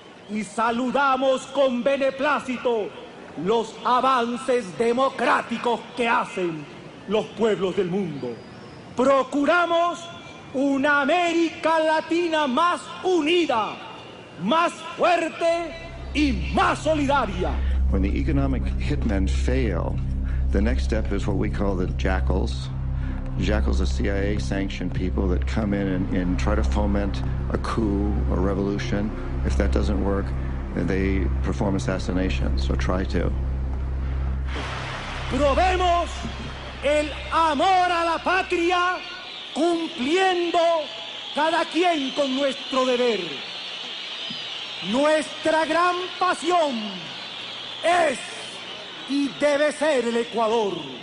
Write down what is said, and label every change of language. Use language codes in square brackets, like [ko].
[es] Y saludamos con beneplácito los avances democráticos que hacen los pueblos del mundo. Procuramos una América Latina más unida, más fuerte y más solidaria. [en] When the economic hitmen fail, the next step is what we call the jackals. Jackals are CIA-sanctioned people that come in and try to foment a coup or revolution. If that doesn't work, they perform assassinations, or try to. [es] Probemos el amor a la patria cumpliendo cada quien con nuestro deber. Nuestra gran pasión es y debe ser el Ecuador.